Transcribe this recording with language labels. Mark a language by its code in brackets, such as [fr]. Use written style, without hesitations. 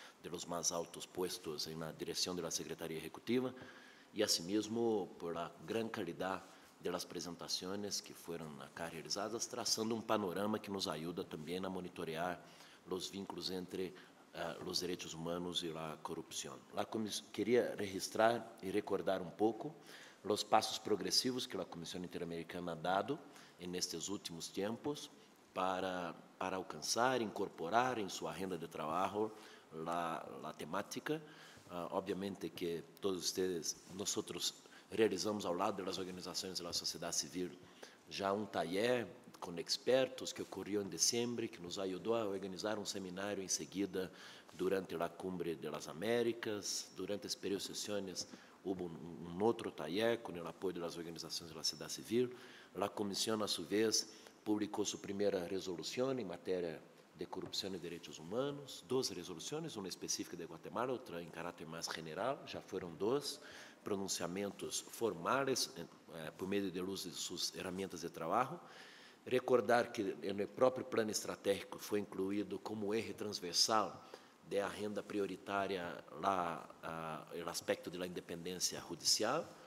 [es] los más altos puestos en la dirección de la Secretaría Ejecutiva, y asimismo por la gran calidad de las presentaciones que fueron acá realizadas, trazando un panorama que nos ayuda también a monitorear los vínculos entre los derechos humanos y la corrupción. Quería registrar y recordar un poco los pasos progresivos que la Comisión Interamericana ha dado en estos últimos tiempos para alcanzar, incorporar en su agenda de trabajo la temática. Obviamente que todos ustedes, nosotros realizamos [pt] ao lado das organizações da sociedade civil já um taller com expertos que ocorreu em dezembro, que nos ajudou a organizar um seminário em seguida durante a Cumbre das Américas. Durante esse período de sessões, houve um outro taller com o apoio das organizações da sociedade civil. A comissão, a sua vez, publicou sua primeira resolução em matéria de corrupção e direitos humanos, 2 resoluções, uma específica de Guatemala, outra em caráter mais general, já foram 2. [es] Pronunciamentos formales por medio de luz de sus herramientas de trabajo. Recordar que en el propio plan estratégico fue incluido como eje transversal de agenda prioritaria el aspecto de la independencia judicial.